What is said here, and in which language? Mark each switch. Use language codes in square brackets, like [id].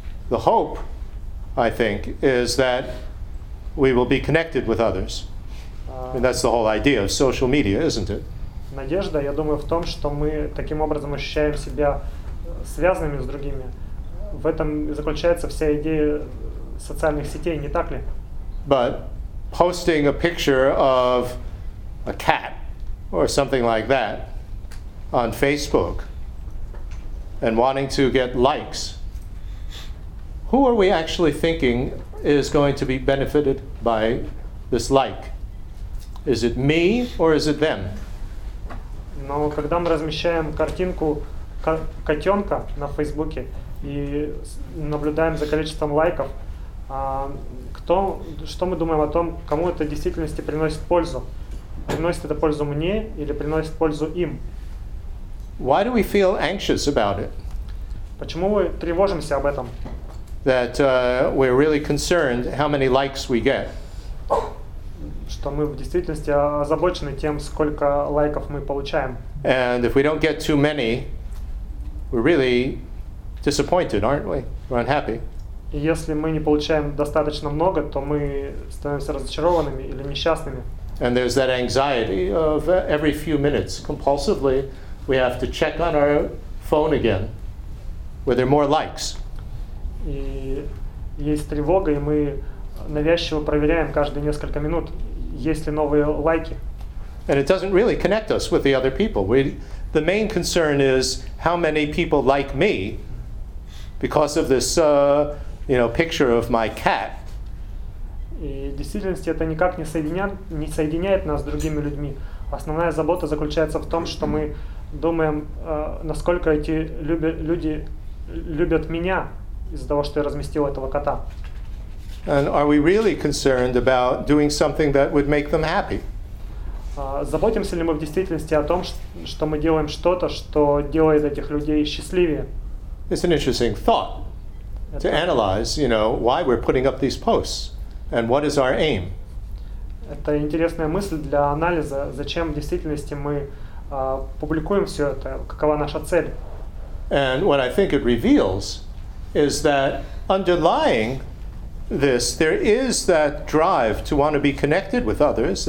[en] The hope, I think, is that we will be connected with others. And that's the whole idea of social media, isn't it? [ru] Надежда, я думаю, в том, что мы таким образом ощущаем себя связанными с другими. В этом и заключается вся идея социальных сетей, не так ли? [en] But posting a picture of a cat or something like that on Facebook and wanting to get likes, who are we actually thinking is going to be benefited by this like? Is it me or is it them? [ru] Но когда мы размещаем картинку котенка на Фейсбуке и наблюдаем за количеством лайков, что мы думаем о том, кому это в действительности приносит пользу? Приносит это пользу мне или приносит пользу им? [en] Why do we feel anxious about it? [ru] Почему мы тревожимся об этом? [en] That we're really concerned how many likes we get. [ru] Что мы в действительности озабочены тем, сколько лайков мы получаем. [en] And if we don't get too many, we're really disappointed, aren't we? We're unhappy. [ru] И если мы не получаем достаточно много, то мы становимся разочарованными или несчастными. [en] And there's that anxiety of every few minutes, compulsively, we have to check on our phone again, where there are more likes. [ru] И есть тревога, и мы навязчиво проверяем каждые несколько минут, есть ли новые лайки. [en] And it doesn't really connect us with the other people. The main concern is how many people like me because of this, picture of my cat. [ru] И в действительности это никак не соединяет нас с другими людьми. Основная забота заключается в том, что мы думаем, насколько эти люди любят меня из-за того, что я разместил этого кота. [en] And are we really concerned about doing something that would make them happy? [ru] Заботимся ли мы в действительности о том, что мы делаем что-то, что делает этих людей счастливее? [en] It's an interesting thought to analyze, why we're putting up these posts and what is our aim. [ru] Это интересная мысль для анализа, зачем в действительности мы публикуем все это, какова наша цель. [en] And what I think it reveals is that underlying this, there is that drive to want to be connected with others.